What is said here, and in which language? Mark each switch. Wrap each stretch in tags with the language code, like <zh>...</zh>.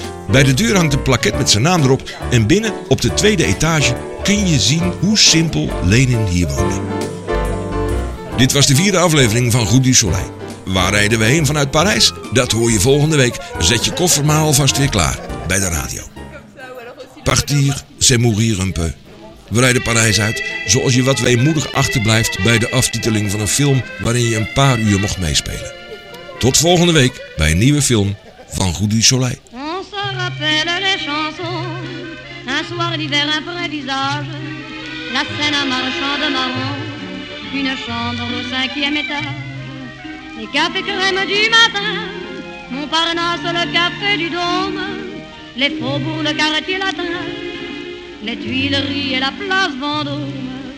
<nl>Bij de deur hangt een plaquet met zijn naam erop en binnen, op de tweede etage, kun je zien hoe simpel Lenin hier woonde. Dit was de 4e aflevering van Goed du Soleil. Waar rijden we heen vanuit Parijs? Dat hoor je volgende week. Zet je koffer maar alvast weer klaar bij de radio.</nl> <fr>Partir, c'est mourir un peu.</fr> <nl>We rijden Parijs uit, zoals je wat weemoedig achterblijft bij de aftiteling van een film waarin je een paar uur mocht meespelen. Tot volgende week bij een nieuwe film van Goed du Soleil.</nl> <fr>On se rappelle les chansons, un soir d'hiver, un vrai visage, la scène en marchant de marron, une chambre au cinquième étage, les cafés crèmes du matin, Montparnasse, le café du Dôme, les faubourgs, le quartier latin, les Tuileries et la place Vendôme.</fr>